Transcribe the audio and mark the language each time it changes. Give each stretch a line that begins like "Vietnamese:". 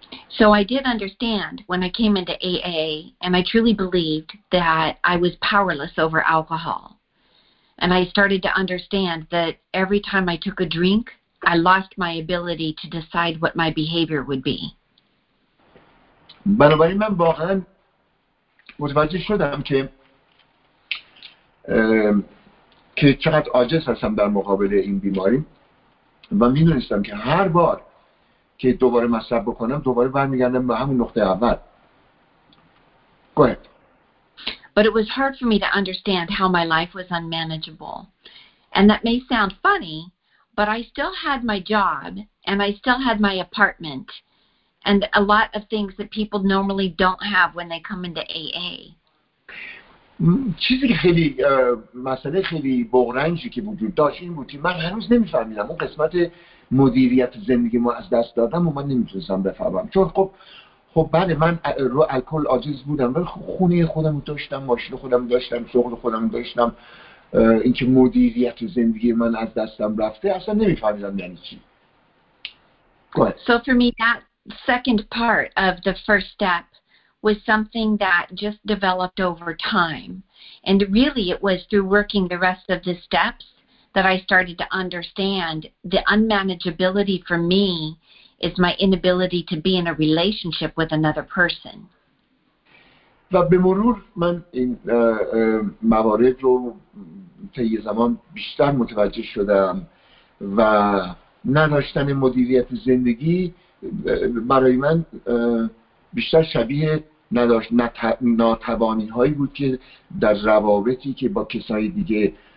English: So I did understand when I came into AA and I truly believed that I was powerless over alcohol. And I started to understand that every time I took a drink, I lost my ability to decide what my behavior would be.
Persian: بنابراین من واقعا متوجه شدم که چقدر عاجز هستم در مقابل این بیماری و میدونستم که هر بار که دوباره مصرف بکنم دوباره برمیگردم به همون نقطه اول.
English: Go ahead. But it was hard for me to understand how my life was unmanageable. And that may sound funny, but I still had my job and I still had my apartment and a lot of things that people normally don't have when they come into AA.
Persian: چیزی که خیلی مسئله خیلی بغرنجی که وجود داشت این بود که من هنوز نمیفهمیدم اون قسمت مدیریت زندگی ما از دست دادم و من نمیتونستم بفهمم، چون خب بله من رو الکل عاجز بودم ولی خونه خودم داشتم، ماشین خودم داشتم، شغل خودم داشتم. اینکه مدیریت زندگی من از دستم رفته اصلا نمیفهمیدم یعنی چی.
English: So for me that second part of the first step was something that just developed over time. And really it was through working the rest of the steps that I started to understand the unmanageability for me is my inability to be in a relationship with another person.
Persian: و به مرور من این موارد رو طی زمان بیشتر متوجه شدم و نداشتن مدیریت زندگی برای من بیشتر شبیه ناتوانی هایی بود که در روابطی که با کسای دیگه